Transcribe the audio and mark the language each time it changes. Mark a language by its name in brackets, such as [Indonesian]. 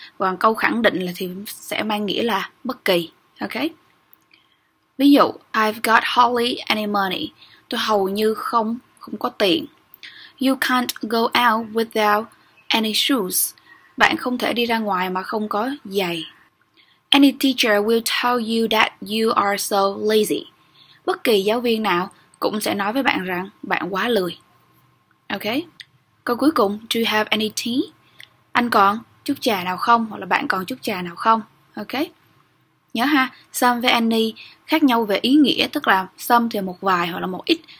[Vietnamese] Còn câu khẳng định là thì sẽ mang nghĩa là bất kỳ. Ok. Ví dụ, [English] I've got hardly any money. [Vietnamese] Tôi hầu như không có tiền. [English] You can't go out without any shoes. [Vietnamese] Bạn không thể đi ra ngoài mà không có giày. [English] Any teacher will tell you that you are so lazy. [Vietnamese] Bất kỳ giáo viên nào cũng sẽ nói với bạn rằng bạn quá lười. Ok. Câu cuối cùng, [English] do you have any tea? [Vietnamese] Anh còn chút trà nào không? Hoặc là bạn còn chút trà nào không? Ok. Nhớ ha, some với any khác nhau về ý nghĩa, tức là some thì một vài hoặc là một ít.